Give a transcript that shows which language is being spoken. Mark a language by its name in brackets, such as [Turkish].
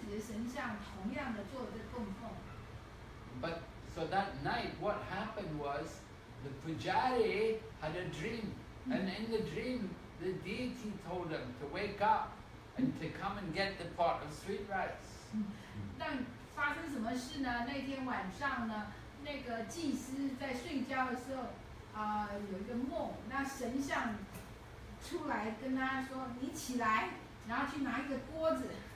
[Chinese] 那他想尝一尝，然后他想知道这个味道，然后呢，对自己的神像同样的做这供奉。 [English] But so that night, what happened was, the pujari had a dream, and in the dream, the deity told him to wake up and to come and get the pot of sweet rice. [Chinese] 那发生什么事呢？那天晚上呢，那个祭司在睡觉的时候，有一个梦，那神像。出来跟他说，你起来，然后去拿一个锅子。